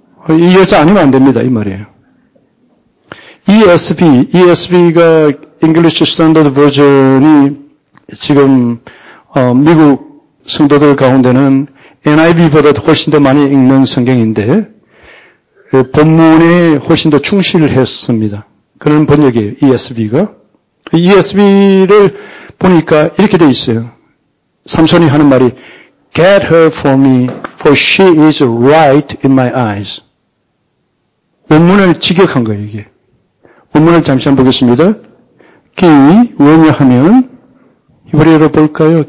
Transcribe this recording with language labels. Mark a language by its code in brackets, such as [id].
[ko] 이 여자 아니면 안 됩니다. 이 말이에요. ESV, ESV가 English Standard Version이 지금 미국 성도들 가운데는 NIV보다 훨씬 더 많이 읽는 성경인데 본문에 훨씬 더 충실을 했습니다. 그런 번역이에요. ESV가. ESV를 보니까 이렇게 돼 있어요. 삼손이 하는 말이 [en] Get her for me, for she is right in my eyes. [ko] 원문을 직역한 거예요, 이게. 원문을 잠시 한번 보겠습니다. 기, 왜냐하면 히브리어로 볼까요?